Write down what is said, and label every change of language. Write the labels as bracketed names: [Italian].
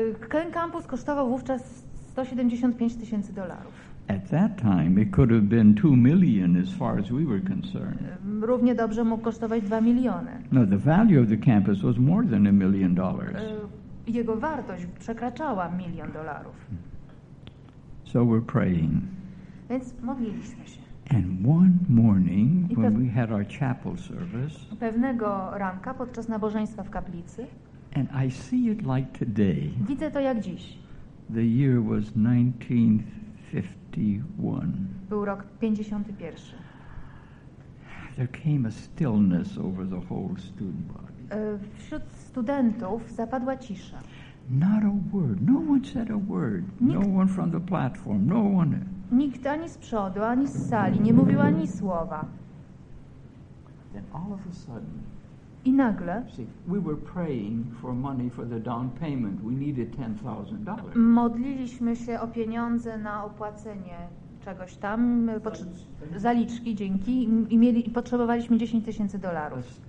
[Polish] Ten kampus kosztował wówczas $175,000. [English] At that time it could have been 2 million as far as we were concerned. [Polish] Równie dobrze mógł kosztować 2 miliony. [English] No, the value of the campus was more than $1 million. [Polish] Jego wartość przekraczała $1 million. [English] So we're praying. [Polish] Więc modliliśmy się. [English] And one morning, when we had our chapel service, [Polish] pewnego ranka podczas nabożeństwa w kaplicy, [English] and I see it like today. [Polish] Widzę to jak dziś. [English] The year was 1951. [Polish] Był rok 51. [English] There came a stillness over the whole student body. [Polish] Wśród studentów zapadła cisza. [English] Not a word. No one said a word. No one from the platform. No one. [Polish] Nikt ani z przodu, ani z sali nie mówił ani słowa. [English] Then all of a sudden. [Polish] I nagle. [English] See, we were praying for money for the down payment. We needed $10,000. [Polish] Modliliśmy się o pieniądze na opłacenie czegoś tam, zaliczki, dzięki, i potrzebowaliśmy $10,000.